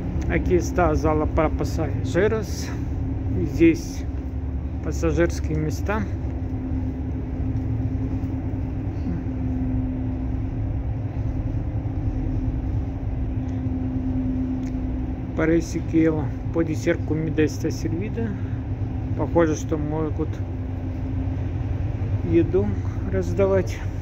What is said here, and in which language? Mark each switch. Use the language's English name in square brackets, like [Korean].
[Spanish] Aquí está la sala para pasajeros. [Russian] Здесь пассажирские места. [Spanish] Parece que puede ser comida está servida. [Russian] Похоже, что могут еду раздавать.